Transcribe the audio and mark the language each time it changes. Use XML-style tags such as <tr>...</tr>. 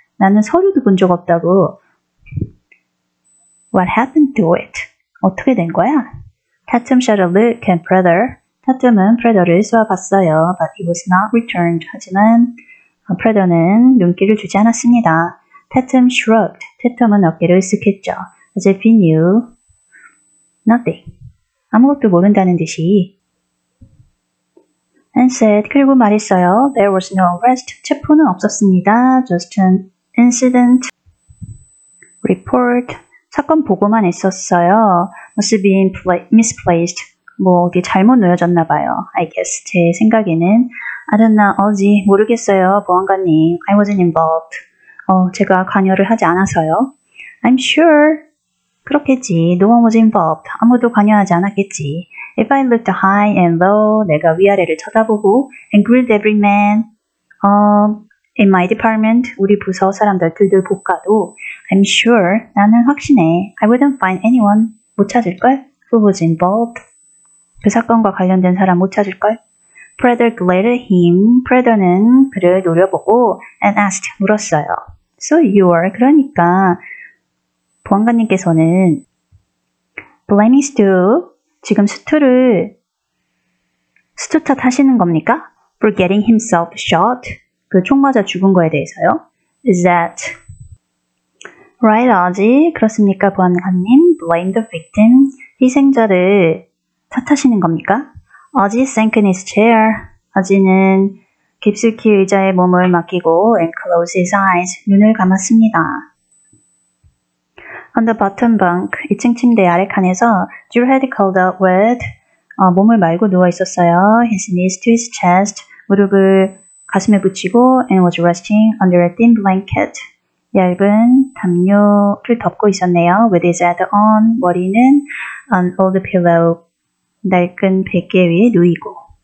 <ko>나는 서류도 본적 없다고.</ko> <en>What happened to it?</en> <ko>어떻게 된 거야?</ko> <en>Tatum shot a look at Prather.</en> <ko>Tatum은 Prather를 쏘아봤어요.</ko> <en>But he was not returned.</en> <ko>하지만 Prather는 눈길을 주지 않았습니다.</ko> <en>Tatum shrugged.</en> <ko>Tatum은 어깨를 으쓱했죠.</ko> <en>As if he knew nothing.</en> <ko>아무것도 모른다는 듯이.</ko> <en>And said,</en> <ko>그리고 말했어요.</ko> <en>There was no arrest.</en> <ko>체포는 없었습니다.</ko> <en>Just an incident report.</en> <ko>사건 보고만 했었어요.</ko> <en>Must have been misplaced.</en> <ko>뭐, 어디 잘못 놓여졌나 봐요.</ko> <en>I guess.</en> <ko>제 생각에는.</ko> <en>I don't know, Ozzy.</en> <ko>모르겠어요, 보안관님.</ko> <en>I wasn't involved.</en> <ko>제가 관여를 하지 않아서요.</ko> <en>I'm sure.</en> <ko>그렇겠지.</ko> <en>No one was involved.</en> <ko>아무도 관여하지 않았겠지.</ko> <en>If I looked high and low,</en> <ko>내가 위아래를 쳐다보고,</ko> <en>and grilled every man, in my department,</en> <ko>우리 부서 사람들 들들 볶아도,</ko> <en>I'm sure,</en> <ko>나는 확신해.</ko> <en>I wouldn't find anyone,</en> <ko>못 찾을걸?</ko> <en>Who was involved?</en> <ko>그 사건과 관련된 사람 못 찾을걸?</ko> <en>Prather glared at him.</en> <ko>Prather는 그를 노려보고,</ko> <en>and asked,</en> <ko>물었어요.</ko> <en>So you are,</en> <ko>그러니까, 보안관님께서는,</ko> <en>blaming Stu,</en> <ko>지금 스투 탓하시는 겁니까?</ko> <en>For getting himself shot.</en> <ko>그총 맞아 죽은 거에 대해서요.</ko> <en>Is that right, 아지?</en> <ko>그렇습니까, 보안관님?</ko> <en>Blame the victim?</en> <ko>희생자를 탓하시는 겁니까?</ko> <en>아지 sank in his chair.</en> <ko>아지는 깊숙이 의자에 몸을 맡기고</ko> <en>and closed his eyes,</en> <ko>눈을 감았습니다.</ko> <en>On the bottom bunk,</en> <ko>2층 침대 아래 칸에서</ko> <en>Drew had curled up with</en> <ko>몸을 말고 누워 있었어요.</ko> <en>His knees to his chest,</en> <ko>무릎을 가슴에 붙이고</ko> <en>and was resting under a thin blanket.</en> <ko>얇은 담요를 덮고 있었네요.</ko> <en>With his head on,</en> <ko>머리는</ko> <en>on old pillow,</en> <ko>낡은 베개 위에 누이고.</ko>